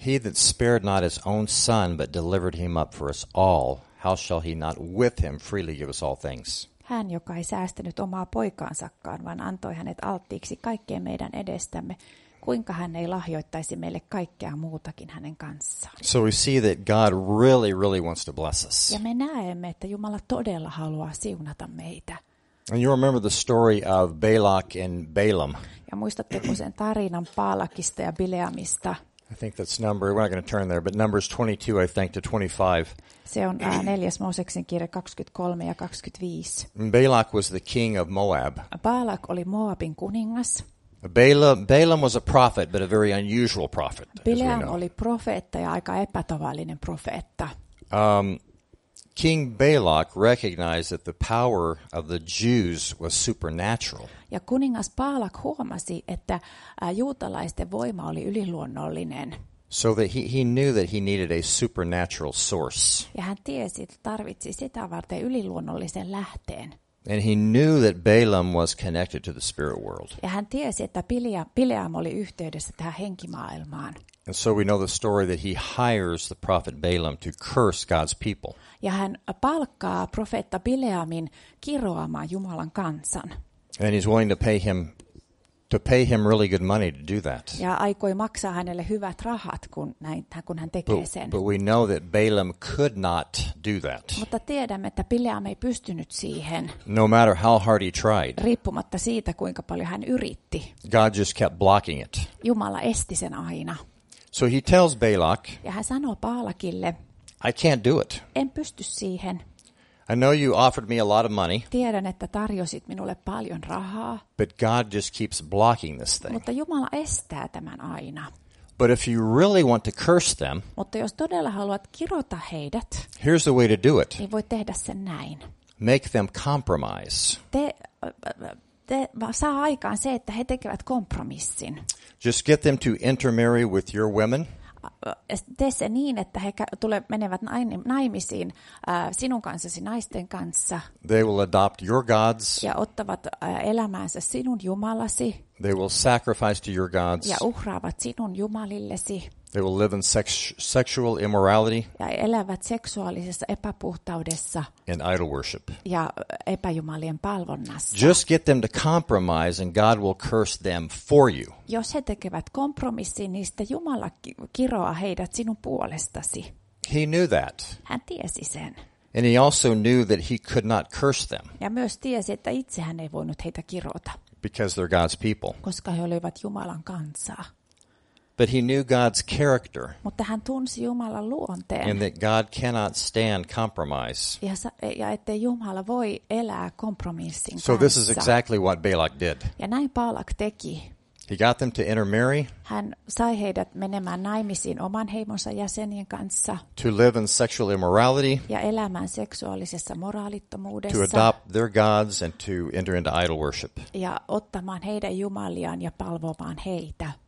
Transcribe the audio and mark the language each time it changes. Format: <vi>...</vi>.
<en>He that spared not his own son, but delivered him up for us all, how shall he not with him freely give us all things?</en> <fi>Hän, joka ei säästänyt omaa poikaansakaan, vaan antoi hänet alttiiksi kaikkeen meidän edestämme, kuinka hän ei lahjoittaisi meille kaikkea muutakin hänen kanssaan.</fi> <en>So we see that God really, really wants to bless us.</en> <fi>Ja me näemme, että Jumala todella haluaa siunata meitä.</fi> <en>And you remember the story of Balak and Balaam.</en> <fi>Ja muistatteko sen tarinan Baalakista ja Bileamista?</fi> <en>I think that's number, we're not going to turn there, but Numbers 22, I think, to 25.</en> <fi>Se on neljäs Mooseksen kirja 23 ja 25.</fi> <en>Balak was the king of Moab.</en> <fi>Balak oli Moabin kuningas.</fi> <en>Balaam was a prophet, but a very unusual prophet.</en> <fi>Bileam oli profeetta ja aika epätavallinen profeetta.</fi> <en>King Balak recognized that the power of the Jews was supernatural.</en> <fi>Ja kuningas Balak huomasi, että juutalaisten voima oli yliluonnollinen.</fi> <en>So that he knew that he needed a supernatural source.</en> <fi>Ja hän tiesi, että tarvitsi sitä varten yliluonnollisen lähteen.</fi> <en>And he knew that Balaam was connected to the spirit world.</en> <fi>Ja hän tiesi, että Bileam oli yhteydessä tähän henkimaailmaan.</fi> <en>And so we know the story that he hires the prophet Balaam to curse God's people.</en> <fi>Ja hän palkkaa profeetta Bileamin kiroamaan Jumalan kansan.</fi> <en>And he's willing to pay him really good money to do that.</en> <fi>Ja aikoi maksaa hänelle hyvät rahat, kun hän tekee sen.</fi> <en>But we know that Balaam could not do that.</en> <fi>Mutta tiedämme, että Bileam ei pystynyt siihen.</fi> <en>No matter how hard he tried.</en> <fi>Riippumatta siitä, kuinka paljon hän yritti.</fi> <en>God just kept blocking it.</en> <fi>Jumala esti sen aina.</fi> <en>So he tells Balak.</en> <fi>Ja hän sanoo Baalakille.</fi> <en>I can't do it.</en> <fi>En pysty siihen.</fi> <en>I know you offered me a lot of money.</en> <fi>Tiedän, että tarjosit minulle paljon rahaa.</fi> <en>But God just keeps blocking this thing.</en> <fi>Mutta Jumala estää tämän aina.</fi> <en>But if you really want to curse them.</en> <fi>Mutta jos todella haluat kirota heidät.</fi> <en>Here's the way to do it.</en> <fi>Niin voi tehdä sen näin.</fi> <en>Make them compromise.</en> <fi>Te saa aikaan se, että he tekevät kompromissin.</fi> <en>Just get them to intermarry with your women.</en> <fi>Tee se niin, että he menevät naimisiin sinun kanssasi naisten kanssa.</fi> <en>They will adopt your gods.</en> <fi>Ja ottavat elämäänsä sinun jumalasi.</fi> <en>They will sacrifice to your gods.</en> <fi>Ja uhraavat sinun jumalillesi.</fi> <en>They will live in sexual immorality.</en> <fi>Ja elävät seksuaalisessa epäpuhtaudessa.</fi> <en>And idol worship.</en> <fi>Ja epäjumalien palvonnassa.</fi> <en>Just get them to compromise and God will curse them for you.</en> <fi>Jos he tekevät kompromissin, niin sitten Jumala kiroaa heidät sinun puolestasi.</fi> <en>He knew that.</en> <fi>Hän tiesi sen.</fi> <en>And he also knew that he could not curse them.</en> <fi>Ja myös tiesi, että itse hän ei voinut heitä kirota.</fi> <en>Because they're God's people.</en> <fi>Koska he olivat Jumalan kansaa.</fi> <en>But he knew God's character.</en> <fi>Mutta hän tunsi Jumalan luonteen.</fi> <en>And that God cannot stand compromise.</en> <fi>Ja että Jumala voi elää kompromissin kanssa.</fi> <en>So this is exactly what Balak did.</en> <fi>Ja näin Balak teki.</fi> <en>He got them to intermarry.</en> <fi>Hän sai heidät menemään naimisiin oman heimonsa jäsenien kanssa.</fi> <en>To live in sexual immorality.</en> <fi>Ja elämään seksuaalisessa moraalittomuudessa.</fi> <en>To adopt their gods and to enter into idol worship.</en> <fi>Ja ottamaan heidän jumaliaan ja palvomaan heitä.</fi>